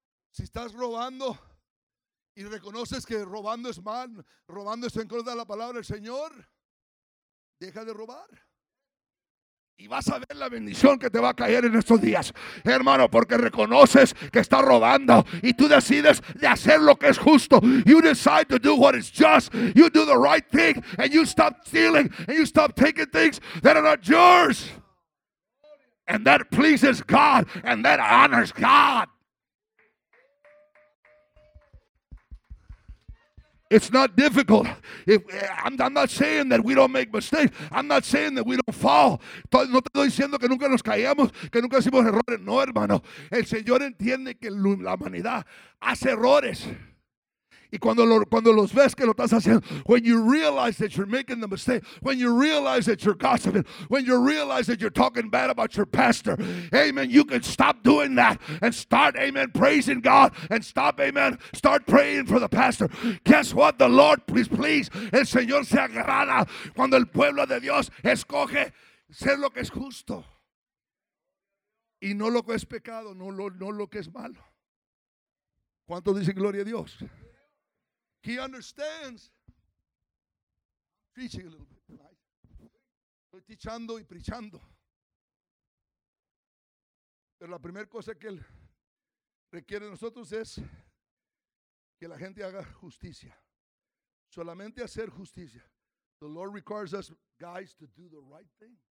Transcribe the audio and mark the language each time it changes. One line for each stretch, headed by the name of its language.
Spanish: Si estás robando y reconoces que robando es mal, robando es en contra de la palabra del Señor, deja de robar. Y vas a ver la bendición que te va a caer en estos días, hermano, porque reconoces que estás robando y tú decides de hacer lo que es justo.
English: You decide to do what is just. You do the right thing and you stop stealing and you stop taking things that are not yours. And that pleases God and that honors God. It's not difficult. I'm not saying that we don't make mistakes. I'm not saying that we don't fall.
Spanish: No te estoy diciendo que nunca nos caemos, que nunca hacemos errores. No, hermano. El Señor entiende que la humanidad hace errores. Y cuando los ves que lo estás haciendo,
English: when you realize that you're making the mistake, when you realize that you're gossiping, when you realize that you're talking bad about your pastor, amen, you can stop doing that and start, amen, praising God and stop, amen, start praying for the pastor. Guess what? The Lord, please,
Spanish: el Señor se agrada cuando el pueblo de Dios escoge ser lo que es justo y no lo que es pecado, no lo que es malo. ¿Cuánto dice gloria a Dios?
English: He understands. Preaching a little bit, right?
Spanish: Estoy teachando y preachando. Pero la primera cosa que él requiere de nosotros es que la gente haga justicia. Solamente hacer justicia.
English: The Lord requires us, guys, to do the right thing.